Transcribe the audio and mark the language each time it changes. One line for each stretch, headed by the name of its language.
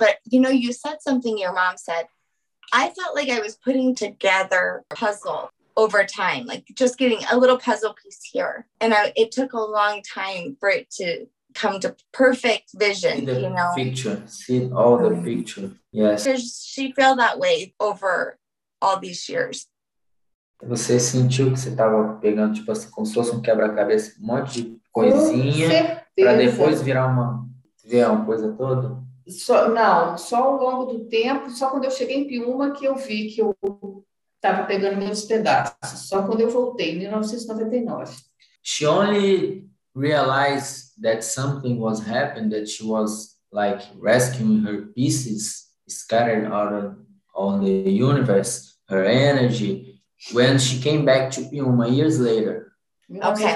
English: But, you know, you said something your mom said, I felt like I was putting together a puzzle over time, like just getting a little puzzle piece here. And it took a long time for it to come to perfect vision, you know? See all the picture, yes. Does she feel that way over all these years?
Portuguese: Você sentiu que você tava pegando, tipo assim, como se fosse um quebra-cabeça, um monte de coisinha, pra depois virar uma coisa toda? Só ao longo do tempo, só quando eu cheguei em Piuma que eu vi que eu estava pegando meus pedaços, só quando eu voltei, em 1999.
English: She only realized that something was happening, that she was, like, rescuing her pieces scattered out on the universe, her energy, when she came back to Piuma years later. Okay.